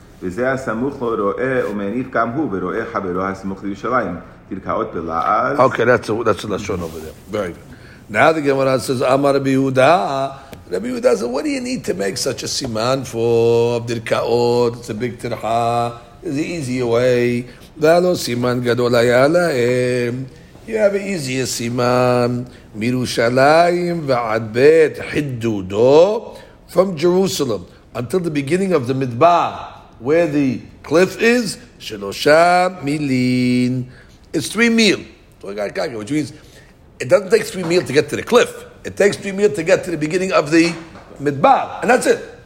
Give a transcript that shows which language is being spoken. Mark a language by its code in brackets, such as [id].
[he] וזה הסמוך לו רואה ומעניף גם הוא ורואה חברו הסמוך לירושלים. תרקעות בלעז. [en] Okay, that's the lashon over there. Very good. Now the Gemara says, Amar Rabbi Yehuda. Rabbi Yehuda says, what do you need to make such a siman for? תרקעות, it's a big tirha. It's the easier way. [he] ולא סימן גדול היה להם. [en] You have an easier siman. [he] מירושלים ועד בית חידודו. [en] From Jerusalem until the beginning of the midbar. Where the cliff is, Shelosha Milin. It's 3 mil. Which means it doesn't take 3 mil to get to the cliff. It takes 3 mil to get to the beginning of the midbar. And that's it.